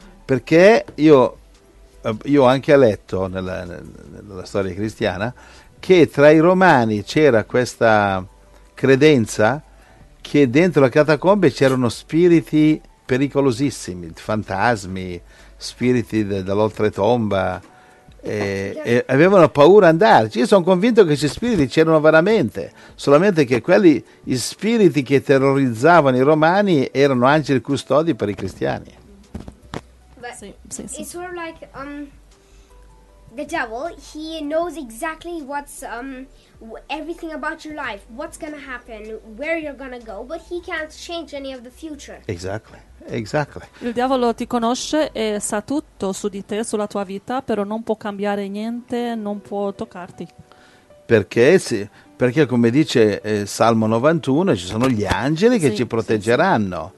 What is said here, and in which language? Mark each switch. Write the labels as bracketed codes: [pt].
[it] Perché io ho anche letto nella storia cristiana che tra i romani c'era questa credenza che dentro la catacombe c'erano spiriti pericolosissimi, fantasmi, spiriti dell'oltretomba, e avevano paura di andarci. Io sono convinto che gli spiriti c'erano veramente, solamente che quelli, gli spiriti che terrorizzavano i romani, erano angeli custodi per i cristiani. [en] It's sort of like the devil, he knows exactly what's everything about your life, what's gonna happen, where you're gonna go, but he can't change any of the future. Exactly. [it] Il diavolo ti conosce e sa tutto su di te, sulla tua vita, però non può cambiare niente, non può toccarti. Perché? Sì, perché come dice Salmo 91, ci sono gli angeli che ci proteggeranno.